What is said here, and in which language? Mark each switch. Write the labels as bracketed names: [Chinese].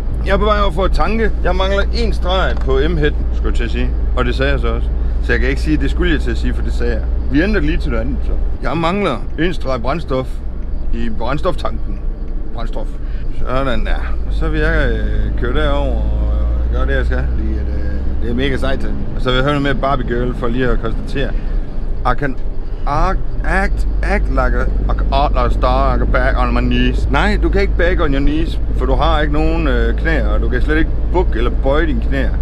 [Danish] Jeg er på vej over for at tanke. Jeg mangler en streg på M-hætten, skulle jeg til at sige. Og det sagde jeg så også. Så jeg kan ikke sige, at det skulle jeg til at sige, for det sagde jeg. Vi ændrer lige til det andet, så. Jeg mangler en streg brændstof i brændstoftanken. Brændstof. Sådan der. Og så vil jeg køre derover og gøre det, jeg skal. Fordi det er mega sejt. Og så vil jeg høre noget med Barbie Girl for lige at konstatere. [English] I can act like a star, I can back on my knees. [Danish] Nej, du kan ikke [English] back on your knees, [Danish] for du har ikke nogen knæer, og du kan slet ikke bukke eller bøje dine knæer.